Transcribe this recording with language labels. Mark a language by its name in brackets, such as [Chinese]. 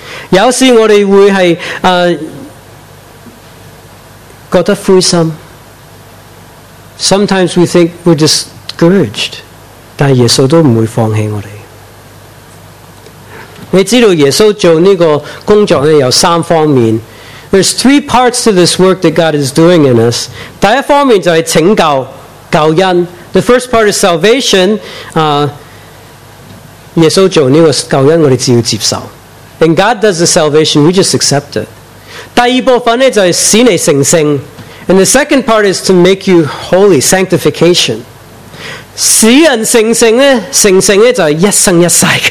[Chinese] 有时我们会是觉得灰心。 [English] Sometimes we think we're discouraged, [Chinese] 但耶稣都不会放弃我们。你知道耶稣做这个工作呢有三方面。 [English] There's three parts to this work that God is doing in us. [Chinese] 第一方面就是拯救、救恩。 [English] The first part is salvation. [Chinese] 耶稣做这个救恩，我们只要接受。 [English] And God does the salvation, we just accept it. [Chinese] 第二部分呢就是使你成圣。 [English] And the second part is to make you holy, sanctification. [Chinese] 使人成圣呢，成圣呢就是一生一世。